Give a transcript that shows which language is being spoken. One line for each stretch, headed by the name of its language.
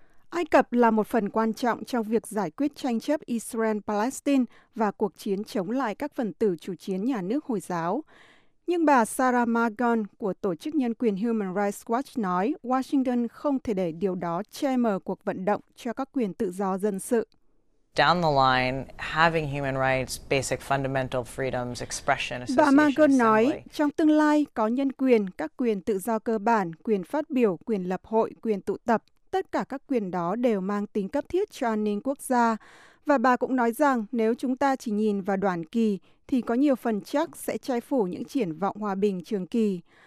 Vietnamese: Ai Cập là một phần quan trọng trong việc giải quyết tranh chấp Israel-Palestine và cuộc chiến chống lại các phần tử chủ chiến nhà nước Hồi giáo. Nhưng bà Sarah Margon của Tổ chức Nhân quyền Human Rights Watch nói Washington không thể để điều đó che mờ cuộc vận động cho các quyền tự do dân sự.
English: Down the line, having human rights, basic fundamental freedoms, expression, association, assembly.
Vietnamese: Bà Margon nói, trong tương lai, có nhân quyền, các quyền tự do cơ bản, quyền phát biểu, quyền lập hội, quyền tụ tập, tất cả các quyền đó đều mang tính cấp thiết cho an ninh quốc gia. Và bà cũng nói rằng, nếu chúng ta chỉ nhìn vào đoạn kỳ, thì có nhiều phần chắc sẽ che phủ những triển vọng hòa bình trường kỳ.